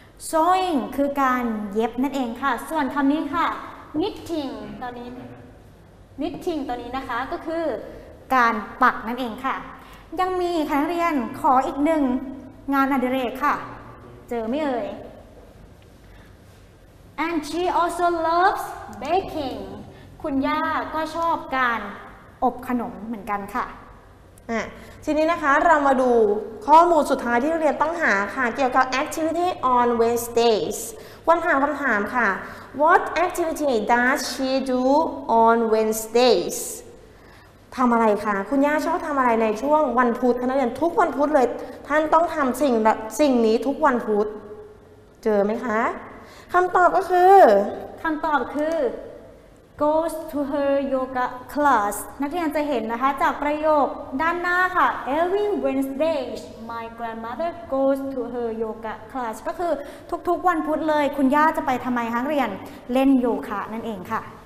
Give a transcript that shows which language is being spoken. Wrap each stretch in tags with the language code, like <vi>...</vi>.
<th>sewing คือการเย็บนั่นเองค่ะส่วนคำนี้ค่ะ knitting ตอนนี้ knitting ตอนนี้นะคะก็คือการปักนั่นเองค่ะยังมีคะนักเรียนขออีกหนึ่งงานอดิเรกค่ะเจอไม่เอ่ย</th> <en>And she also loves baking.</en> <th>คุณย่าก็ชอบการอบขนมเหมือนกันค่ะ ทีนี้นะคะเรามาดูข้อมูลสุดท้ายที่นักเรียนต้องหาค่ะเกี่ยวกับ</th> <en>activity on Wednesdays.</en> <th>วันหาคำถามค่ะ</th> <en>What activity does she do on Wednesdays?</en> <th>ทำอะไรคะคุณย่าชอบทำอะไรในช่วงวันพุธนักเรียนทุกวันพุธเลยท่านต้องทำสิ่งนี้ทุกวันพุธเจอไหมคะคำตอบก็คือ คำตอบคือ</th> <en>goes to her yoga class</en> <th>นักเรียนจะเห็นนะคะจากประโยคด้านหน้าค่ะ</th> <en>every Wednesday my grandmother goes to her yoga class</en> <th>ก็คือทุกๆวันพุธเลยคุณย่าจะไปทำไมคะเรียนเล่นโยคะนั่นเองค่ะ</th>